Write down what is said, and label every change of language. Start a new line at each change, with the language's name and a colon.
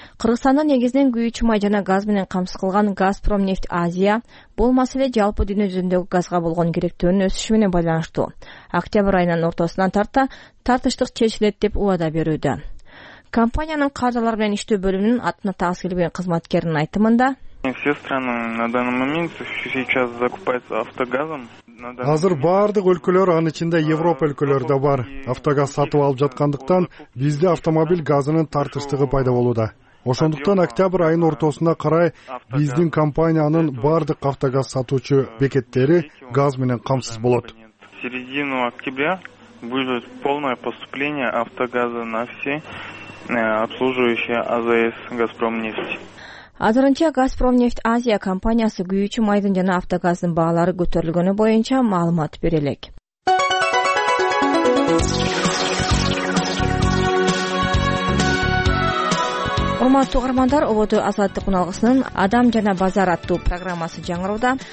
Kyrgyz: Кыргызстанда негизинен күйүүчү май жана газ менен камсыз Газпромнефть Азия бул маселе жалпы дүйнө жүзүндөгү газга болгон керектөөнүн өсүшү менен байланыштуу. Октябрь айынын ортосунан тарта тартыштык чечилет деп убада берүүдө. Компаниянын кадрлар менен иштөө бөлүмүнүн атына таасы келген кызматкеринин айтымында
Russian: все страны на данный момент сейчас закупаются автогазом.
Kyrgyz: Азыр баардык өлкөлөр, анын ичинде Европа өлкөлөрү да бар, автогаз сатып алып жаткандыктан бизде автомобиль газынын тартыштыгы пайда болууда. Ошондуктан октябрь айынын ортосуна карай биздин компаниянын баардык автогаз сатуучу бекеттери газ менен камсыз болот.
Russian: В середину октября будет полное поступление автогаза на все обслуживающие АЗС Газпромнефть.
Kyrgyz: Азырынча Газпромнефть Азия компаниясы күйүүчү майдын жана автогаздын баалары көтөрүлгөнү боюнча маалымат бере элек. Урматтуу угармандар, ободо Азаттык уналгысынын Адам жана базар аттуу программасы жаңырууда.